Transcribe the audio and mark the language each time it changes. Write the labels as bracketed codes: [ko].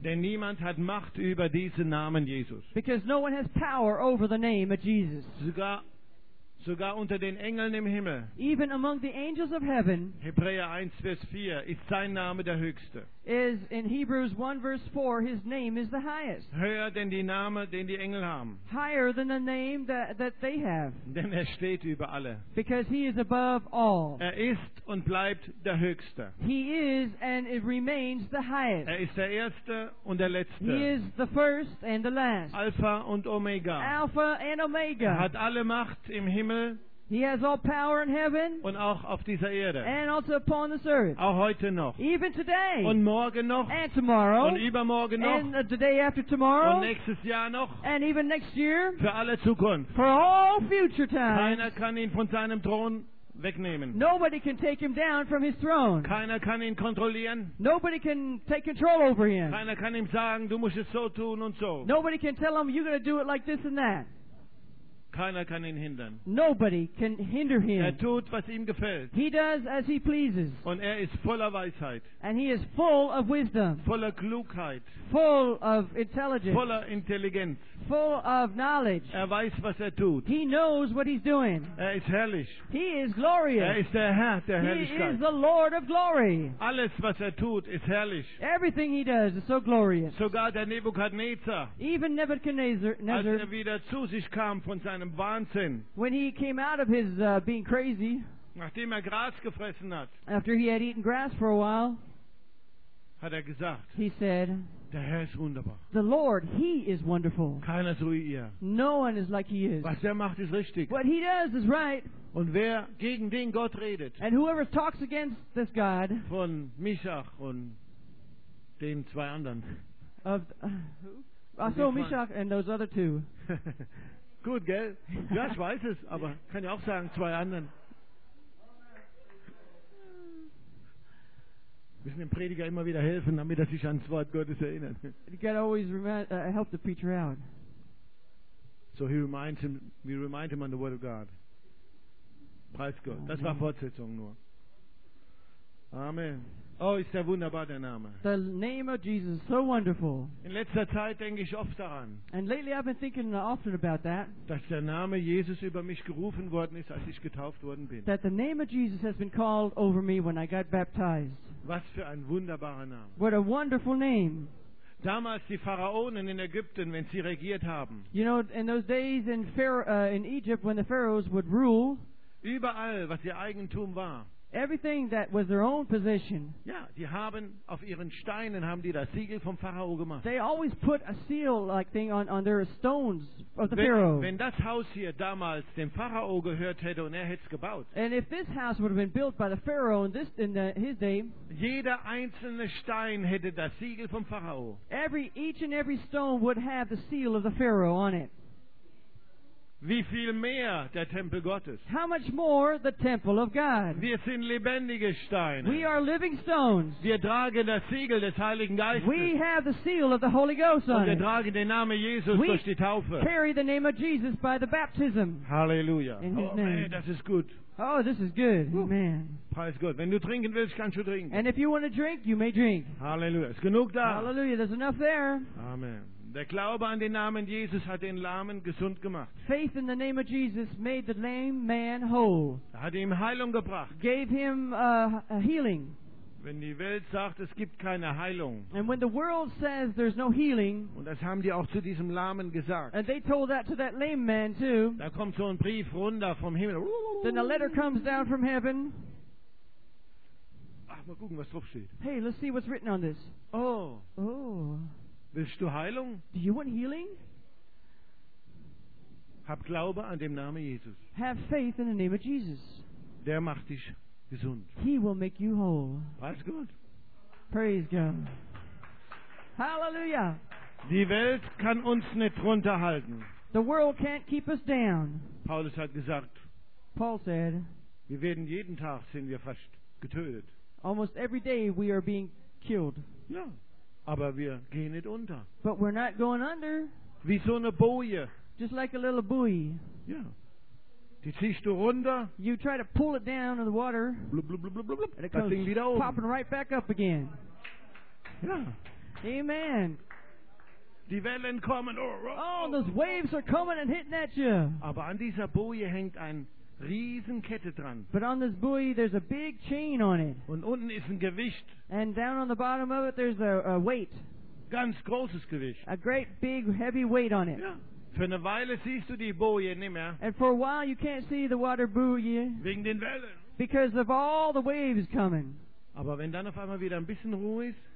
[de] Denn niemand hat Macht über diesen Namen Jesus. [en] Because no one has power over the name of Jesus. [de] Sogar unter den Engeln im Himmel. [en] Even among the angels of heaven. [de] Hebräer 1, Vers 4 ist sein Name der Höchste. [en] Is in Hebrews 1, Verse 4, his name is the highest. [de] Höher denn die Name, den die Engel haben. [en] Higher than the name that they have. [de] Denn steht über alle. [en] Because he is above all. [de] Ist und bleibt der Höchste. [en] He is and it remains the highest. [de] Ist der Erste und der Letzte. [en] He is the first and the last. [de] Alpha und Omega. [en] Alpha and Omega. [de] Hat alle Macht im Himmel [en] He has all power in heaven [de] und auch auf dieser Erde. [en] And also upon this earth. [de] Auch heute noch. [en] Even today. [de] Und morgen noch. [en] And tomorrow. [de] Und übermorgen noch. [en] And the day after tomorrow. [de] Und nächstes Jahr noch. [en] And even next year. [de] Für alle Zukunft. [en] For all future times. [de] Keiner kann ihn von seinem Thron wegnehmen. [en] Nobody can take him down from his throne. [de] Keiner kann ihn kontrollieren. [en] Nobody can take control over him. [de] Keiner kann ihm sagen, du musst es so tun und so. [en] Nobody can tell him you're going to do it like this and that. [de] Keiner kann ihn hindern. [en] Nobody can hinder him. [de] Er tut, was ihm gefällt. [en] He does as he pleases. [de] Und er ist voller Weisheit. [en] And he is full of wisdom. [de] Voller Klugheit. [en] Full of intelligence. [de] Voller Intelligenz. [en] Full of knowledge. [de] Er weiß, was er tut. [en] He knows what he's doing. [de] Er ist herrlich. [en] He is glorious. [de] Er ist der Herr der Herrlichkeit. [en] He is the Lord of glory. [de] Alles, was er tut, ist herrlich. [en] Everything he does is so glorious. [de] Sogar der Nebukadnezar. [en] Even Nebuchadnezzar. [de] Als er wieder zu sich kam von seinem Wahnsinn. [en] When he came out of his being crazy, [de] nachdem er Gras gefressen hat, [en] after he had eaten grass for a while, [de] hat er gesagt, [en] he said, [de] der Herr ist wunderbar. [en] The Lord, he is wonderful. [de] Keiner so wie er. [en] No one is like he is. [de] Was er macht, ist richtig. [en] What he does is right. [de] Und wer gegen den Gott redet, [en] and whoever talks against this God, [de] von Mishach und den zwei anderen, [en] of who? So Mishach and those other two. [de] Gut, gell? Ja, ich weiß es, aber kann ja auch sagen, zwei anderen. Wir müssen dem Prediger immer wieder helfen, damit er sich an das Wort Gottes erinnert. [en] You gotta always help the preacher out. So we remind him on the word of God. [de] Preis Gott. Das war Fortsetzung nur. Amen. Oh, ist der wunderbar, der Name. [en] The name of Jesus is so wonderful. [de] In letzter Zeit denke ich oft daran. [en] And lately I've been thinking often about that. [de] Dass der Name Jesus über mich gerufen worden ist, als ich getauft worden bin. [en] That the name of Jesus has been called over me when I got baptized. [de] Was für ein wunderbarer Name. [en] What a wonderful name. [de] Damals die Pharaonen in Ägypten, wenn sie regiert haben. [en] You know, in those days in Egypt, when the pharaohs would rule. [de] Überall, was ihr Eigentum war. [en] Everything that was their own possession. [de] Ja, die haben auf ihren Steinen haben die das Siegel vom Pharao gemacht. [en] They always put a seal like thing on their stones of the [de] wenn, [en] Pharaoh. [de] Wenn das Haus hier damals dem Pharao gehört hätte und er hätte es gebaut. [en] And if this house would have been built by the Pharaoh in his day. [de] Jeder einzelne Stein hätte das Siegel vom Pharao. [en] Each and every stone would have the seal of the Pharaoh on it. [de] Wie viel mehr der Tempel Gottes? [en] How much more the temple of God? [de] Wir sind lebendige Steine. [en] We are living stones. [de] Wir tragen das Siegel des Heiligen Geistes. [en] We have the seal of the Holy Ghost on it. [de] Wir tragen den Namen Jesus durch die Taufe. [en] We carry the name of Jesus by the baptism. Hallelujah. In His name. [de] Man, das ist gut. [en] Oh, this is good. Amen. [de] Preis Gott. Wenn du trinken willst, kannst du trinken. [en] And if you want to drink, you may drink. [de] Hallelujah. Ist genug da. [en] Hallelujah. There's enough there. Amen. [de] Der Glaube an den Namen Jesus hat den Lahmen gesund gemacht. [en] Faith in the name of Jesus made the lame man whole. [de] Er hat ihm Heilung gebracht. [en] Gave him a healing. [de] Wenn die Welt sagt, es gibt keine Heilung. [en] And when the world says there's no healing. [de] Und das haben die auch zu diesem Lahmen gesagt. [en] And they told that to that lame man too. [de] Da kommt so ein Brief runter vom Himmel. [en] Then a letter comes down from heaven. [de] Ach, mal gucken, was drauf steht. [en] Hey, let's see what's written on this. Oh. Oh. [de] Willst du Heilung? [en] Do you want healing? [de] Hab Glaube an dem Namen Jesus. [en] Have faith in the name of Jesus. [de] Der macht dich gesund. [en] He will make you whole. Praise God. Praise God. Hallelujah. [de] Die Welt kann uns nicht runterhalten. [en] The world can't keep us down. [de] Paulus hat gesagt. [en] Paul said. [de] Wir werden jeden Tag sind wir fast getötet. [en] Almost every day we are being killed. [de] Ja. Aber wir gehen nicht unter. [en] But we're not going under. [de] Wie so eine Boje. [en] Just like a little buoy. [de] Ja. Die ziehst du runter. [en] You try to pull it down in the water. Blub, blub, blub, blub, blub. And it comes [de] das wieder oben. [en] Popping right back up again. [de] Ja. Amen. Die Wellen kommen. [en] Oh, those waves are coming and hitting at you. [de] Aber an dieser Boje hängt ein riesen Kette dran. [en] But on this buoy there's a big chain on it. [de] Und unten ist ein Gewicht. [en] And down on the bottom of it there's a weight. [de] Ganz großes Gewicht. [en] A great big heavy weight on it. [de] Ja. Für eine Weile siehst du die Boje nicht mehr. [en] And for a while you can't see the water buoy. [de] Wegen den Wellen. [en] Because of all the waves coming. [de] Aber wenn dann auf einmal wieder ein bisschen Ruhe ist.